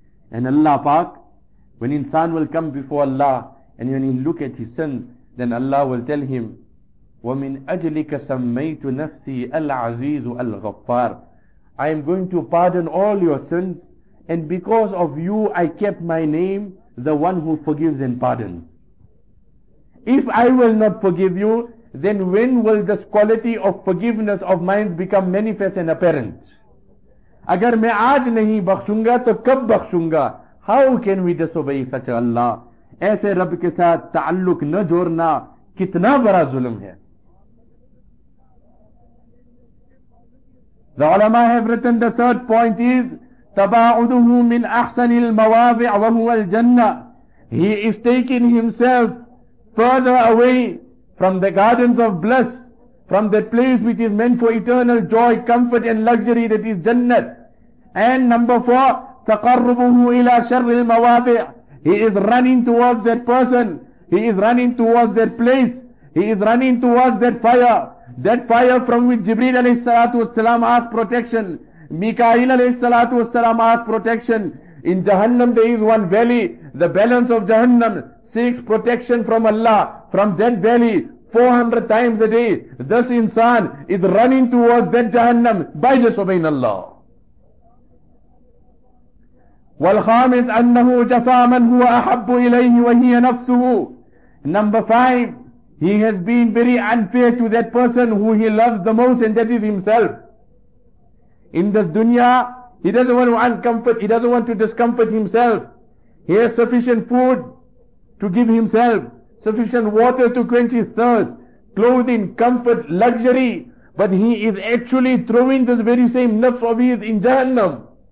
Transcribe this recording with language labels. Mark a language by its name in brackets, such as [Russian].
[English] And Allah Pak, when insan will come before Allah and when he look at his sin, then Allah will tell him, [Arabic] وَمِنْ أَجْلِكَ سَمَّيْتُ نَفْسِي الْعَزِيزُ الْغَفَّارِ, [English] I am going to pardon all your sins, and because of you I kept my name, the one who forgives and pardons. If I will not forgive you, then when will this quality of forgiveness of mine become manifest and apparent? [Urdu] اگر میں آج نہیں بخشنگا تو کب بخشنگا? [English] How can we disobey such Allah? [Urdu] ایسے رب کے ساتھ تعلق نہ جوڑنا کتنا بڑا ظلم ہے. [English] The علماء have written, the third point is [Arabic] تباعده من احسن المواضع وهو الجنة. [English] He is taking himself further away from the gardens of bliss, from that place which is meant for eternal joy, comfort and luxury, that is Jannat. And number four, [Arabic] تقربه الى شر المواضع. [English] He is running towards that person. He is running towards that place. He is running towards that fire. That fire from which Jibreel alayhi salatu wasalam asked protection. Mikail alayhi salatu wasalam asked protection. In Jahannam there is one valley. The balance of Jahannam seeks protection from Allah. From that valley 400 times a day, this insan is running towards that Jahannam by disobeying Allah. [Arabic] والخامس أنه جفا من هو أحب إليه وهي نفسه. [English] Number 5, he has been very unfair to that person who he loves the most, and that is himself. In this dunya, he doesn't want to uncomfort, he doesn't want to discomfort himself. He has sufficient food to give himself, sufficient water to quench his thirst, clothing, comfort, luxury, but he is actually throwing this very same nafs of his in Jahannam.